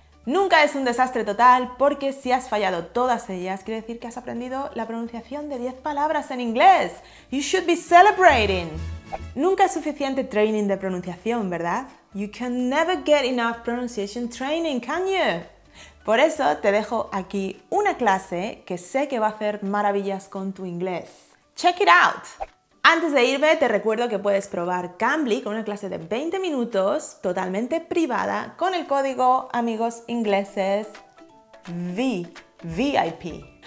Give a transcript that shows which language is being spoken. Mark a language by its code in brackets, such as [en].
[es] Nunca es un desastre total porque si has fallado todas ellas, quiere decir que has aprendido la pronunciación de 10 palabras en inglés. [en] You should be celebrating. [es] Nunca es suficiente training de pronunciación, ¿verdad? [en] You can never get enough pronunciation training, can you? [es] Por eso te dejo aquí una clase que sé que va a hacer maravillas con tu inglés. [en] ¡Check it out! [es] Antes de irme, te recuerdo que puedes probar Cambly con una clase de 20 minutos totalmente privada con el código Amigos Ingleses VIP.